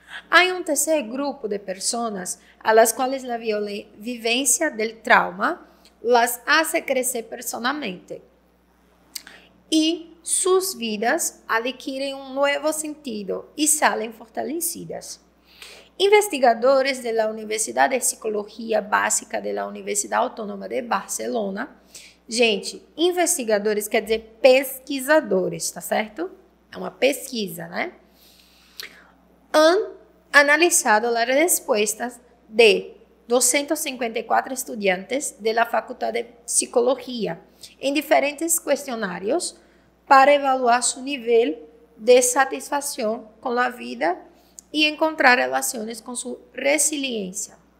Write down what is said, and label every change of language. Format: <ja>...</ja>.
<es>Hay un tercer grupo de personas a las cuales la vivencia del trauma las hace crecer personalmente y sus vidas adquieren un nuevo sentido y salen fortalecidas. Investigadores de la Universidad de Psicología Básica de la Universidad Autónoma de Barcelona.</es> <pt>Gente, investigadores quer dizer pesquisadores, tá certo? É uma pesquisa, né?</pt> <es>Han analizado las respuestas de 254 estudiantes de la Facultad de Psicología en diferentes cuestionarios para evaluar su nivel de satisfacción con la vida y encontrar relaciones con su resiliencia</es>